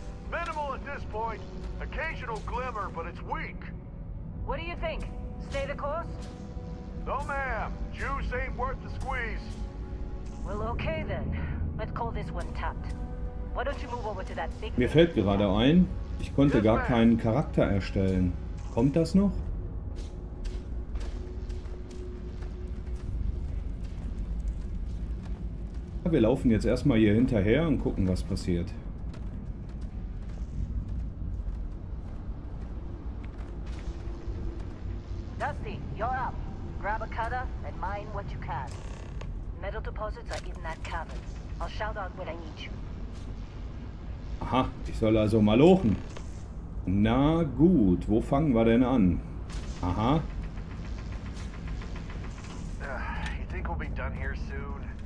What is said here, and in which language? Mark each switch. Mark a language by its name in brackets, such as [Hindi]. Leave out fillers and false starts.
[English] Minimal at this point. Occasional glimmer, but it's weak. What do you think? Stay the course? No, ma'am. Juice ain't worth the squeeze. Well, okay then. Let's call this one tapped. Why don't you move over to that big... [German] Mir fällt gerade ein, ich konnte gar keinen Charakter erstellen. Kommt das noch? Ja, wir laufen jetzt erstmal hier hinterher und gucken, was passiert. [English] Dusty, you're up. Grab a cutter and mine what you can. Metal deposits are in that cavern. I'll shout out when I need you. [German] Aha, ich soll also mal lochen. Na gut, wo fangen wir denn an? Aha. [English] You think we'll be done here soon?